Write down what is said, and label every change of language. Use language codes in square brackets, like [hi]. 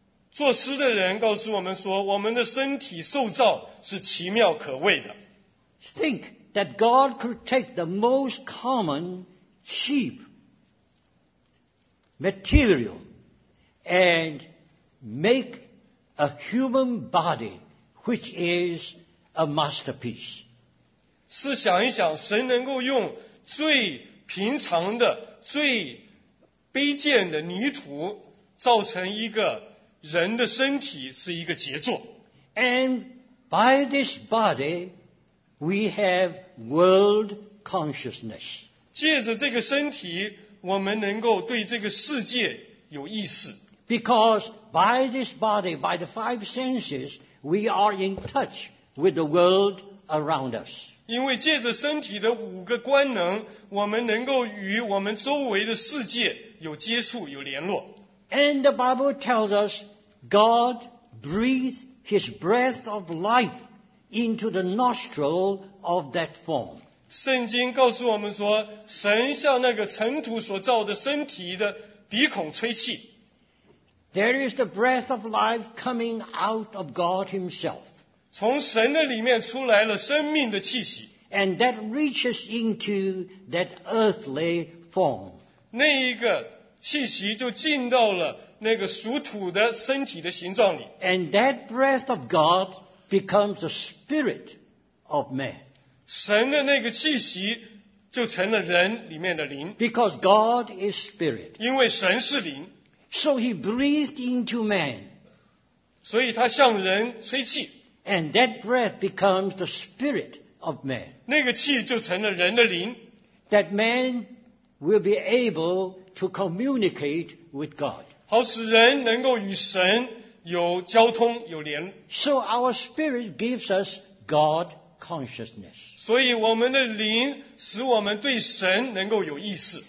[zh] 作诗的人告诉我们说，我们的身体受造是奇妙可畏的。 [en] Think that God could take the most common, cheap material and make a human body, which is a masterpiece. [zh] 试想一想，神能够用最平常的、最卑贱的泥土造成一个人的身体，是一个杰作。 [en] And by this body, we have world consciousness. [zh] 借着这个身体，我们能够对这个世界有意识。 [en] Because by this body, by the five senses, we are in touch with the world around us. [zh] 因为借着身体的五个官能，我们能够与我们周围的世界有接触，有联络。 [en] And the Bible tells us God breathed his breath of life into the nostril of that form. [zh] 圣经告诉我们说，神向那个尘土所造的身体的鼻孔吹气。 [en] There is the breath of life coming out of God himself. [zh] 从神的里面出来了生命的气息。 [en] And that reaches into that earthly form. [zh] 那一个气息就进到了那个属土的身体的形状里。 [en] And that breath of God becomes the spirit of man. [zh] 神的那个气息就成了人里面的灵。 [en] Because God is spirit. [zh] 因为神是灵。 [en] So he breathed into man. [zh] 所以他向人吹气。 [en] And that breath becomes the spirit of man. [zh] 那个气就成了人的灵。 [en] That man will be able to communicate with God. [zh] 好使人能够与神有交通，有联。 [en] So our spirit gives us God consciousness. [zh] 所以我们的灵使我们对神能够有意识。